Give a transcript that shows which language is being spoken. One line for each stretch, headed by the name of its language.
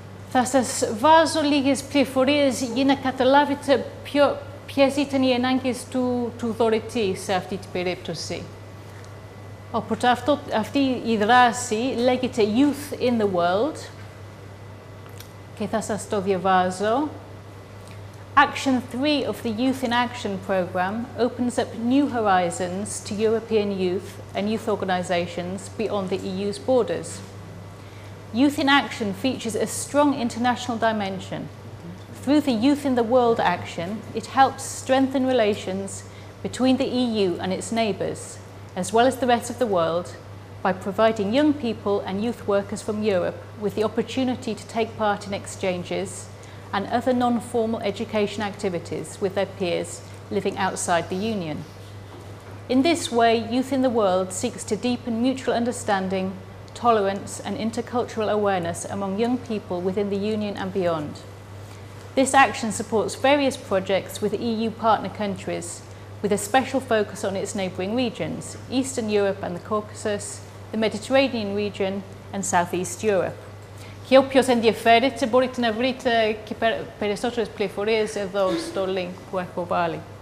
Greek: Θα σας βάζω λίγες πληροφορίες για να καταλάβετε ποιες ήταν οι ανάγκες του δωρητή σε αυτή την περίπτωση. Οπότε αυτή η δράση λέγεται Youth in the World και θα σας το διαβάζω.
English: Action 3 of the Youth in Action program opens up new horizons to European youth and youth organizations beyond the EU's borders. Youth in Action features a strong international dimension. Through the Youth in the World action, it helps strengthen relations between the EU and its neighbors, as well as the rest of the world, by providing young people and youth workers from Europe with the opportunity to take part in exchanges and other non-formal education activities with their peers living outside the Union. In this way, Youth in the World seeks to deepen mutual understanding, tolerance, and intercultural awareness among young people within the Union and beyond. This action supports various projects with EU partner countries, with a special focus on its neighboring regions, Eastern Europe and the Caucasus, the Mediterranean region, and Southeast Europe.
Greek: Και όποιος ενδιαφέρεται μπορείτε να βρείτε και περισσότερες πληροφορίες εδώ στο link που έχω βάλει.